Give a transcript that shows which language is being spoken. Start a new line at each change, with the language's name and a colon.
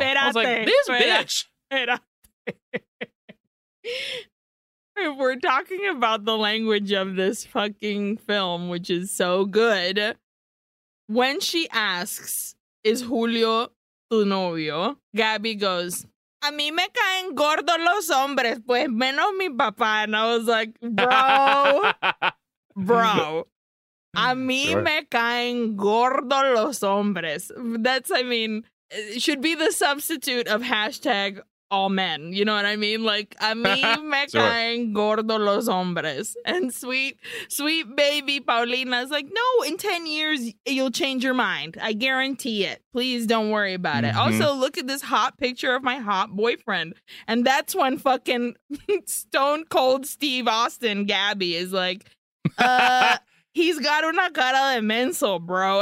Spanish: Espérate,
English: I was like, this bitch. If we're talking about the language of this fucking film, which is so good, when she asks, is Julio
Spanish: tu novio? Gabby
English: goes,
Spanish: a mí me caen gordos los hombres, pues menos mi papá.
English: And I was like, bro, bro,
Spanish: a mí me caen gordos los hombres.
English: That's, I mean, it should be the substitute of hashtag all men. You know what I mean? Like,
Spanish: a mí me caen gordo los hombres.
English: And sweet, sweet baby Paulina's like, no, in 10 years, you'll change your mind. I guarantee it. Please don't worry about it. Also, look at this hot picture of my hot boyfriend. And that's when fucking Stone Cold Steve Austin Gabby is like, he's got
Spanish: una cara de menso,
English: bro.